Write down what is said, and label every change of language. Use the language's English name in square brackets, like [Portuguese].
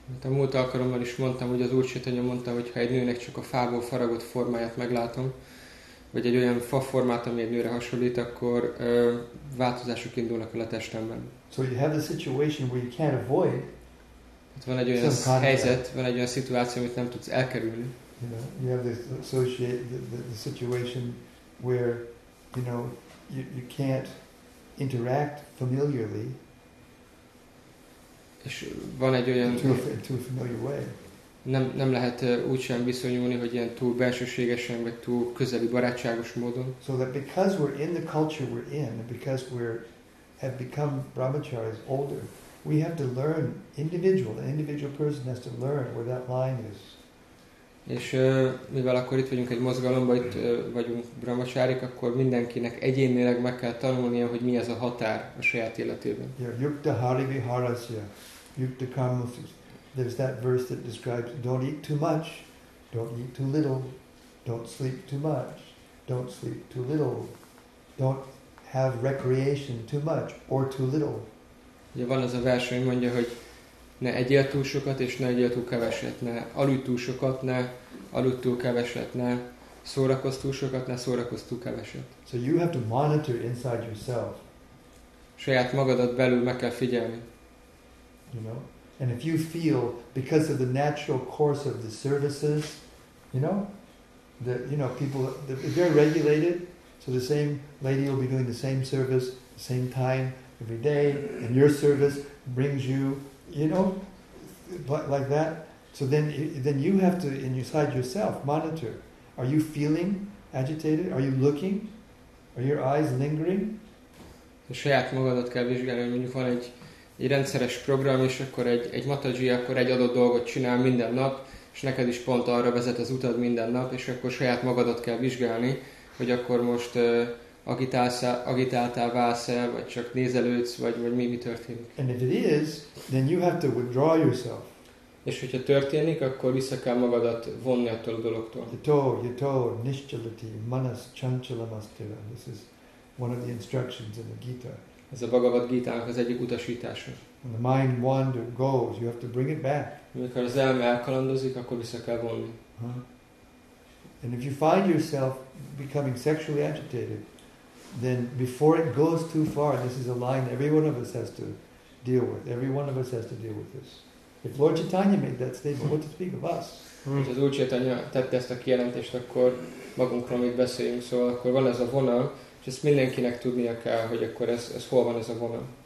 [Hungarian] A múlt alkalommal is mondtam, hogy az Úr Chaitanya mondta, hogy ha egy nőnek csak a fából faragott formáját meglátom, vagy egy olyan fa formát, ami egy nőre hasonlít, akkor változások indulnak el a testemben. [English] So you have the situation where you can't avoid. [Hungarian] Itt van egy olyan helyzet, van egy olyan szituáció, amit nem tudsz elkerülni. [English] You know, you have the situation where, you know, you can't interact familiarly. [Hungarian] És van egy olyan [English] too familiar way. [Hungarian] Nem lehet úgy sem viszonyulni, hogy ilyen túl belsőségesen vagy túl közeli barátságos módon. [English] So that because we're in the culture we're in, because we're have become brahmacharis older. We have to learn, an individual person has to learn where that line is. [Hungarian] És mivel akkor itt vagyunk egy mozgalomban, itt vagyunk brahmacharik, akkor mindenkinek egyénileg meg kell tanulnia, hogy mi ez a határ a saját életében. [Sanskrit] Yeah, yukta hari viharasya, yukta karmasya. [English] There's that verse that describes, don't eat too much, don't eat too little, don't sleep too much, don't sleep too little, don't have recreation too much or too little. [Hungarian] Ugye van az a vers, hogy mondja, hogy ne egyél túl sokat, és ne egyél túl keveset, ne aludj túl sokat, ne aludj túl keveset, ne szórakozz túl sokat, ne szórakozz túl keveset. [English] So you have to monitor inside yourself. [Hungarian] Saját magadat belül meg kell figyelni. [English] You know? And if you feel, because of the natural course of the services, you know, people, they're regulated, so the same lady will be doing the same service, the same time, every day, and your service brings you, you know, like that. So then you have to inside yourself monitor. Are you feeling agitated? Are you looking? Are your eyes lingering? [Hungarian] A saját magadat kell vizsgálni, hogy mondjuk van egy rendszeres program, és akkor egy mataji, akkor egy adott dolgot csinál minden nap, és neked is pont arra vezet az utad minden nap, és akkor saját magadat kell vizsgálni, hogy akkor most agitáltál válsz-e, vagy csak nézelődsz, vagy mi történik. [English] And if it is, then you have to withdraw yourself. [Hungarian] És hogyha történik, akkor vissza kell magadat vonni attól a dologtól. [Sanskrit] Yato, nischalati, manas, chanchalamastira. [English] This is one of the instructions in the Gita. [Hungarian] Ez a Bhagavad Gita-nak az egyik utasítása. [English] When the mind wander goes, you have to bring it back. [Hungarian] Amikor az elme elkalandozik, akkor vissza kell vonni. Huh? [English] And if you find yourself becoming sexually agitated, then before it goes too far, this is a line every one of us has to deal with. Every one of us has to deal with this. If Lord Chaitanya made that statement, what to speak of us? [Hungarian] Ha Lord Chaitanya tette ezt a kijelentést, akkor magunkról mit beszéljünk, szóval akkor van ez a vonal, és ezt mindenkinek tudnia kell, hogy akkor ez hol van ez a vonal.